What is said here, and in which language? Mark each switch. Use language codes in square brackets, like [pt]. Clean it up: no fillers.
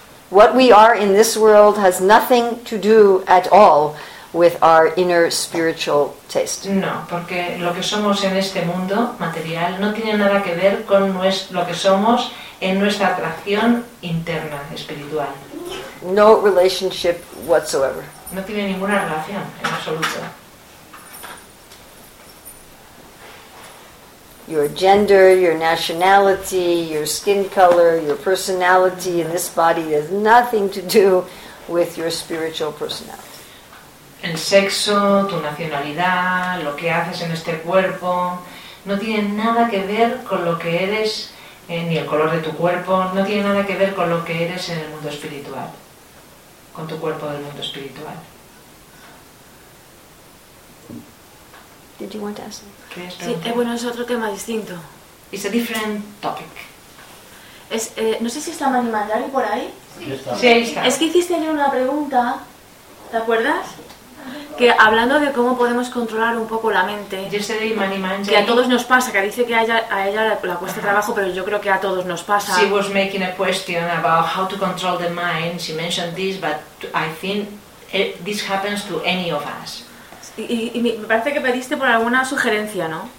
[en] What we are in this world has nothing to do at all with our inner spiritual taste. [es] No, porque lo que somos en este mundo material no tiene nada que ver con lo que somos en nuestra atracción interna espiritual. [en] No relationship whatsoever. [es] No tiene ninguna relación en absoluto. [en] Your gender, your nationality, your skin color, your personality in this body has nothing to do with your spiritual personality. [es] El sexo, tu nacionalidad, lo que haces en este cuerpo, no tiene nada que ver con lo que eres, ni el color de tu cuerpo, no tiene nada que ver con lo que eres en el mundo espiritual, con tu cuerpo del mundo espiritual. [en] Did you want to ask? [es] Sí, bueno, es otro tema distinto. [en] It's a different topic. [es] Es, no sé si está Mani Mandari por ahí. Sí, sí, ahí está. Es que hiciste ayer una pregunta, ¿te acuerdas? Que hablando de cómo podemos controlar un poco la mente. [en] Yesterday, Mani Mandari, [es] que a todos nos pasa, que dice que a ella la cuesta trabajo, pero yo creo que a todos nos pasa. [en] She was making a question about how to control the mind. She mentioned this, but I think this happens to any of us. [es] Y me parece que pediste por alguna sugerencia, ¿no?